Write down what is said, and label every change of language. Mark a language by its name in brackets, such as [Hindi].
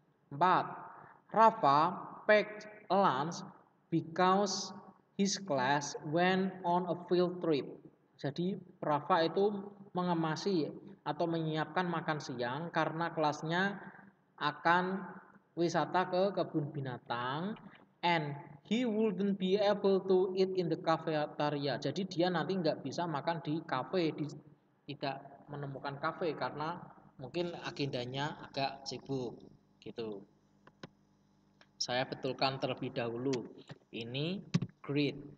[English] 4. Rafa packed lunch because his class went on a field trip. [Indonesian] Jadi Rafa itu mengemasi atau menyiapkan makan siang karena kelasnya akan wisata ke kebun binatang. [English] And he wouldn't be able to eat in the cafeteria. [Indonesian] Jadi dia nanti nggak bisa makan di kafe, tidak menemukan kafe karena mungkin agendanya agak sibuk gitu. Saya betulkan terlebih dahulu. Ini great.